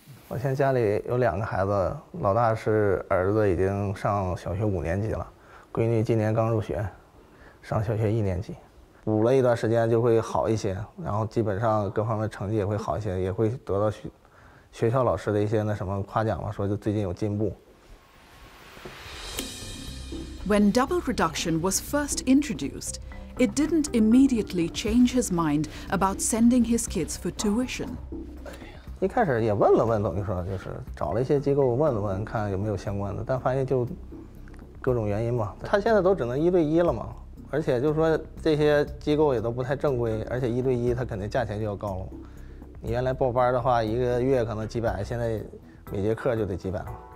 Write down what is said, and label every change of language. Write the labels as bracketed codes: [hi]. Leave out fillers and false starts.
[zh] 我现在家里有两个孩子，老大是儿子，已经上小学五年级了。闺女今年刚入学，上小学一年级，补了一段时间就会好一些，然后基本上各方面成绩也会好一些，也会得到学校老师的一些那什么夸奖嘛，说就最近有进步。 [en] When double reduction was first introduced, it didn't immediately change his mind about sending his kids for tuition. [zh] 一开始也问了问，等于说就是找了一些机构问了问，看有没有相关的，但发现就。各种原因嘛，他现在都只能一对一了嘛，而且就是说这些机构也都不太正规，而且一对一他肯定价钱就要高了。你原来报班的话，一个月可能几百，现在每节课就得几百了。